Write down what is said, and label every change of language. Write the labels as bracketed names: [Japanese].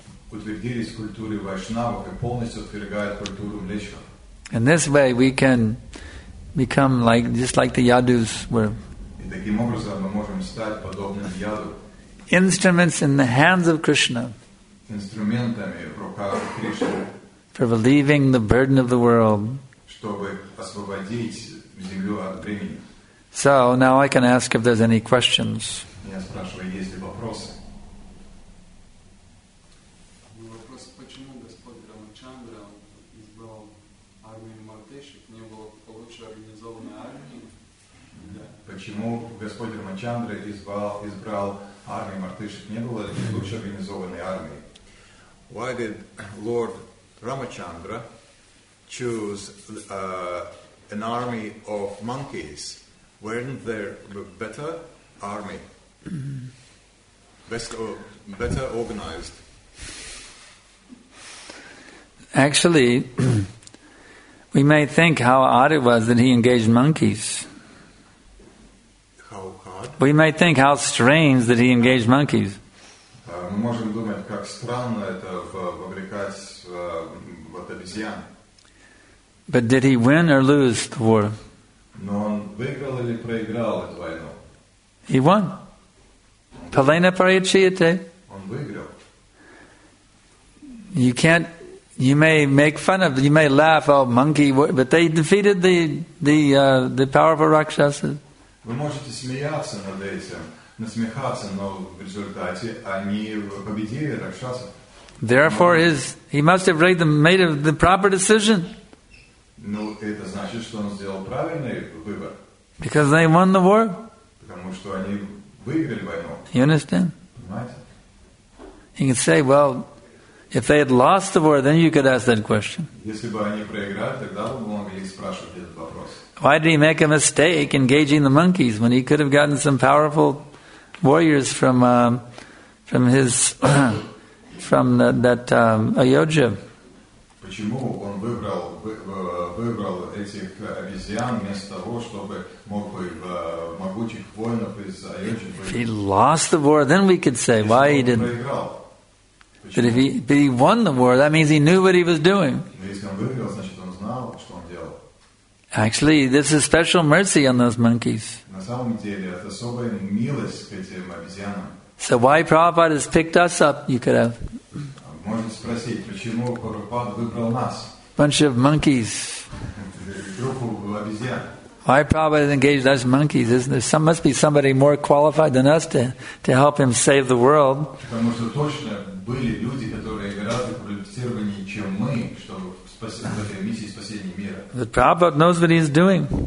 [Russian] утвердились в культуре вайшнавов и полностью отвергают культуру млечха. [English] In this way we can become like just like the Yadus were. [Russian] И таким образом мы можем стать подобным Яду. [English] Instruments in the hands of Krishna. [Russian] Инструментами в руках Кришны. [English] For relieving the burden of the world. [Russian] Чтобы освободить землю от бремени. [English] So now I can ask if there's any questions. [Russian] Я спрашиваю, есть ли вопросы? почему Господь Рамачандра избрал армию Мартышек, не было получше организованной армии? Почему Господь Рамачандра избрал армию Мартышек, не было лучше организованной армии? [English] Why did Lord Ramachandra choose an army of monkeys? Weren't there better army? Better organized? Actually, we may think how odd it was that he engaged monkeys. How odd? We may think how strange that he engaged monkeys. [Russian] Мы можем думать, как странно это вовлекать вот обезьян. [English] But did he win or lose the war? [Russian] Но он выиграл или проиграл эту войну? [English] He won. [Sanskrit] Palena Parichyate. [Russian] Он выиграл. [English] You can't. You may make fun of. You may laugh. Oh, monkey! But they defeated the powerful rakshasas. [Russian] Вы можете смеяться над этим. Насмехаться, но в результате они победили ракшаса. [English] Therefore, he must have made the proper decision. [Russian] Ну, это значит, что он сделал правильный выбор. [English] Because they won the war. [Russian] Потому что они выиграли войну. [English] You understand? [Russian] Понимаете? [English] You can say, well, if they had lost the war, then you could ask that question. [Russian] Если бы они проиграли, тогда бы вы могли спрашивать этот вопрос. [English] Why did he make a mistake engaging the monkeys when he could have gotten some powerful warriors from his from the, that Ayodhya. [Russian] Почему он выбрал этих обезьян вместо того, чтобы мог бы могучих воинов из Ayodhya? [English] He lost the war, then we could say why he didn't. [Russian] Проиграл. [English] But if he won the war, that means he knew what he was doing. [Russian] Если он выиграл, значит он знал, что он делал. [English] Actually, this is special mercy on those monkeys. [Russian] На самом деле, это особая милость к этим обезьянам. [English] So why Prabhupada has picked us up, you could have. [Russian] Можно спросить, почему Прабхупада выбрал нас? [English] Bunch of monkeys. [Russian] Группу обезьян. [English] Why Prabhupada has engaged us monkeys? Isn't there some, must be somebody more qualified than us to help him save the world. [Russian] Потому что точно были люди, которые гораздо квалифицированнее, чем мы, чтобы [English] But Prabhupada knows what he's doing.